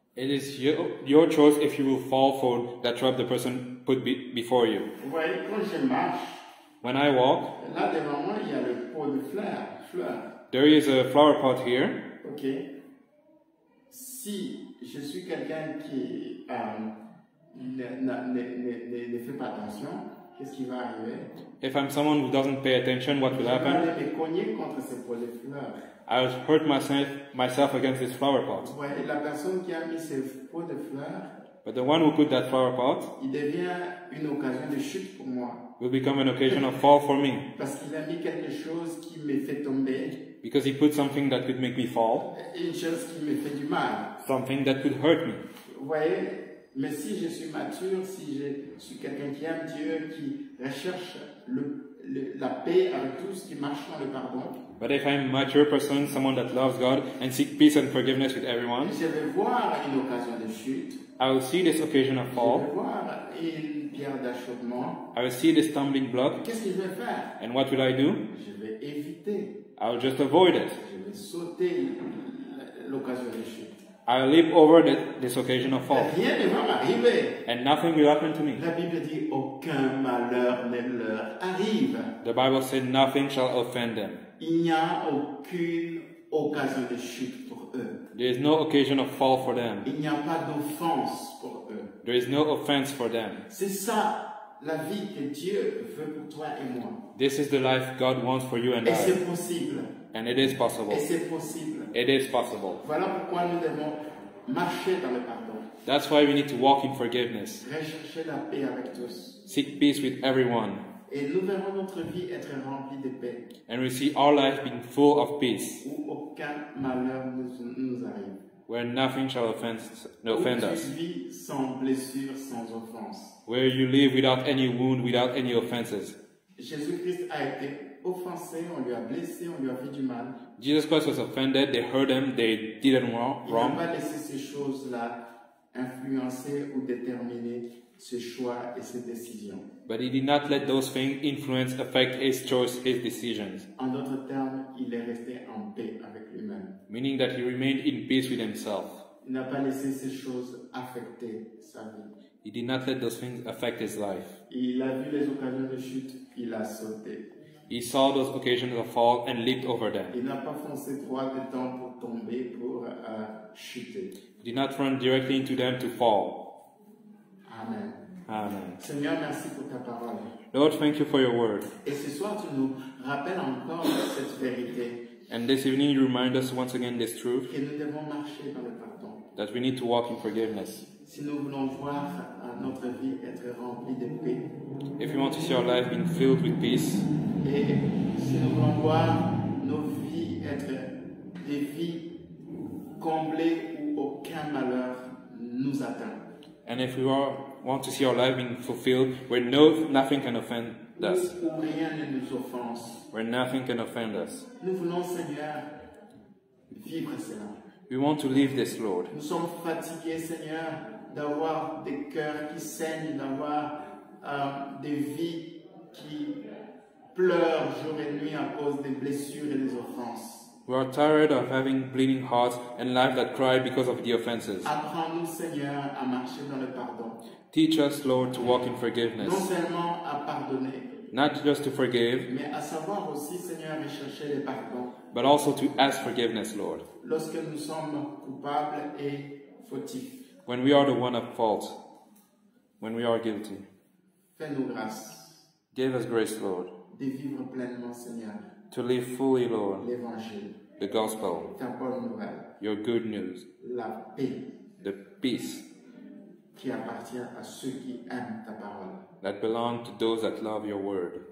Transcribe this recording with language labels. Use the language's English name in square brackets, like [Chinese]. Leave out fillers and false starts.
[English] It is your choice if you will fall for that trap the person put before you. [French] Oui, quand je marche, [English] when I walk, [French] là devant moi, il y a le pot de fleurs. [English] There is a flower pot here. Okay. [French] Si je suis quelqu'un qui ne fait pas attention, qu'est-ce qui va arriver? [English] If I'm someone who doesn't pay attention, what will happen? [French] Je vais me cogner contre ce pot de fleurs. [English] I'll hurt myself against this flower pot. [French] Ouais, la personne qui a mis ce pot de fleurs, [English] but the one who put that flower pot, [French] il devient une occasion de chute pour moi. [English] Will become an occasion of fall for me. [French] Parce qu'il a mis quelque chose qui me fait tomber. [English] Because he put something that could make me fall. [French] Une chose qui me fait du mal. [English] Something that could hurt me. [French] Ouais, mais si je suis mature, si je suis quelqu'un qui aime Dieu, qui recherche la paix avec tous, qui marche dans le pardon. [English] But if I'm a mature person, someone that loves God and seeks peace and forgiveness with everyone, [French] je vais voir une occasion de chute. [English] I will see this occasion of fall. [French] Je vais voir une pierre d'achoppement. [English] I will see this stumbling block. [French] Qu'est-ce que je vais faire? [English] And what will I do? [French] Je vais éviter. [English] I will just avoid it. [French] Je vais sauter l'occasion de chute. [English] I will leap over this occasion of fall. [French] Rien ne va m'arriver. [English] And nothing will happen to me. [French] La Bible dit aucun malheur ne leur arrive. [English] The Bible said nothing shall offend them. [French] Il n'y a aucune occasion de chute pour eux. [English] There is no occasion of fall for them. [French] Il n'y a pas d'offense pour eux. [English] There is no offense for them. [French] C'est ça la vie que Dieu veut pour toi et moi. [English] This is the life God wants for you and [French] I. Et c'est possible. [English] And it is possible. [French] Et c'est possible. [English] It is possible. [French] Voilà pourquoi nous devons marcher dans le pardon. [English] That's why we need to walk in forgiveness. [French] Rechercher la paix avec tous. [English] Seek peace with everyone. [French] Et nous verrons notre vie être remplie de paix. [English] And we see our life being full of peace. [French] Où aucun malheur nous arrive. [English] Where nothing shall offend us. [French] Où tu vis sans blessure, sans offense. [English] Where you live without any wound, without any offenses. [French] Jésus-Christ a été offensé, on lui a blessé, on lui a fait du mal. [English] Jesus Christ was offended, they hurt him, they did him wrong. [French] Il n'a pas laissé ces choses-là influencer ou déterminer ses choix et ses décisions. [English] But he did not let those things influence, affect his choice, his decisions. [French] En d'autres termes, il est resté en paix avec lui-même. [English] Meaning that he remained in peace with himself. [French] Il n'a pas laissé ces choses affecter sa vie. [English] He did not let those things affect his life. [French] Il a vu les occasions de chute, il a sauté. [English] He saw those occasions of fall and leaped over them. [French] Il n'a pas foncé droit dedans pour tomber, pour chuter. [English] He did not run directly into them to fall. Amen. Amen. [French] Seigneur, merci pour ta parole. [English] Lord, thank you for your word. [French] Et ce soir, tu nous rappelles encore cette vérité. [English] And this evening, you remind us once again this truth. [French] Que nous devons marcher dans le pardon. [English] That we need to walk in forgiveness. [French] Si nous voulons voir notre vie être remplie de paix. [English] If you want to see our life being filled with peace. [French] Et si nous voulons voir nos vies être des vies comblées où aucun malheur nous atteint. [English] And if we want to see our life being fulfilled, where nothing can offend us. [French] Où rien ne nous offense. [English] Where nothing can offend us. [French] Nous voulons, Seigneur, vivre cela. [English] We want to live this, Lord. [French] Nous sommes fatigués, Seigneur, d'avoir des cœurs qui saignent, d'avoir des vies qui pleurent jour et nuit à cause des blessures et des offenses. [English] We are tired of having bleeding hearts and lives that cry because of the offenses. [French] Apprends-nous, Seigneur, à marcher dans le pardon. [English] Teach us, Lord, to walk in forgiveness. [French] Non seulement à pardonner, [English] not just to forgive, [French] mais à savoir aussi, Seigneur, rechercher le pardon. [English] But also to ask forgiveness, Lord. [French] Lorsque nous sommes coupables et fautifs. [English] When we are the one at fault. when we are guilty. [French] Fais-nous grâce. [English] Give us grace, Lord. [French] De vivre pleinement, Seigneur. [English] To live fully, Lord. [French] L'évangile. [English] The gospel. [French] Ta bonne nouvelle. [English] Your good news. [French] La paix. [English] The peace. [French] Qui appartient à ceux qui aiment ta parole. [English] That belong to those that love your word.